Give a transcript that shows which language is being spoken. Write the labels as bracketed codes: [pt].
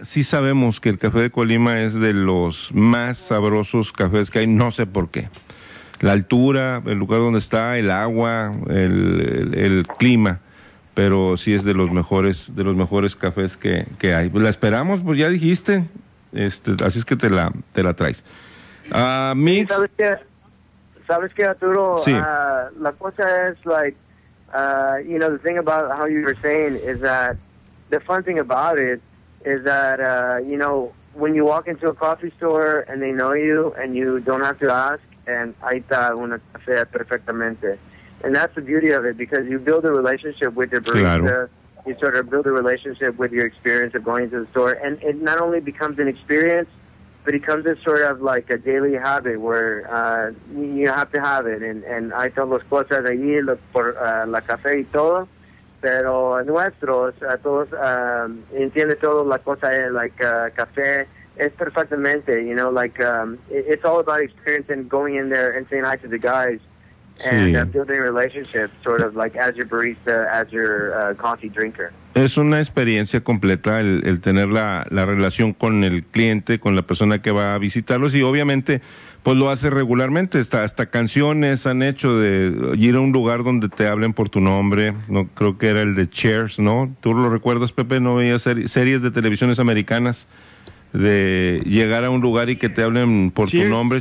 [es] Sí sabemos que el café de Colima es de los más sabrosos cafés que hay, no sé por qué. La altura, el lugar donde está, el agua, el clima, pero sí es de los mejores cafés que hay. La esperamos, pues ya dijiste, así es que te la traes. [en] Mix. [es] ¿Sabes qué, Arturo? Sí. [en] La cosa es, like, you know, the thing about how you were saying is that the fun thing about it is that, you know, when you walk into a coffee store and they know you and you don't have to ask, and [es] ahí está una café perfectamente. [en] And that's the beauty of it, because you build a relationship with your barista. [es] Claro. [en] You sort of build a relationship with your experience of going to the store. And it not only becomes an experience, but it comes as sort of like a daily habit where you have to have it. And I tell [es] los cosas allí por la café y todo. Pero nuestros, a todos, entiende todo la cosa de like café. Es perfectamente, [en] you know, like it's all about experience and going in there and saying hi to the guys. And [es] sí. [en] Building relationships sort of like as your barista, as your coffee drinker. [es] Es una experiencia completa el tener la relación con el cliente, con la persona que va a visitarlos, y obviamente pues lo hace regularmente. Hasta canciones han hecho de ir a un lugar donde te hablen por tu nombre. No, creo que era el de Cheers, ¿no? ¿Tú lo recuerdas, Pepe? ¿No veías series de televisiones americanas de llegar a un lugar y que te hablen por Cheers, tu nombre?